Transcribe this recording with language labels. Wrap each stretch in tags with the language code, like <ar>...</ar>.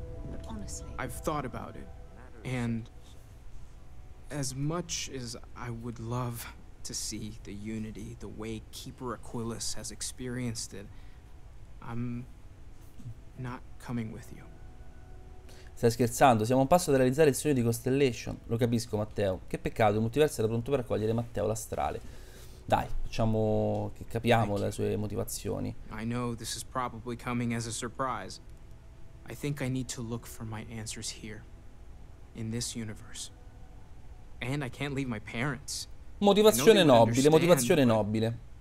<en>But honestly, I've thought about it, and... as much as I would love to see the Unity the way Keeper Aquilus has experienced it, I'm not coming with you.</en> <it>Stai scherzando? Siamo a un passo da realizzare il sogno di Constellation. Lo capisco, Matteo. Che peccato, il multiverso era pronto per accogliere Matteo l'astrale. Dai, facciamo che capiamo le sue motivazioni.</it> <en>I know this is probably coming as a surprise. I think I need to look for my answers here, in this universe. And I can't leave my parents.</en> <it>Motivazione nobile, motivazione nobile.</it>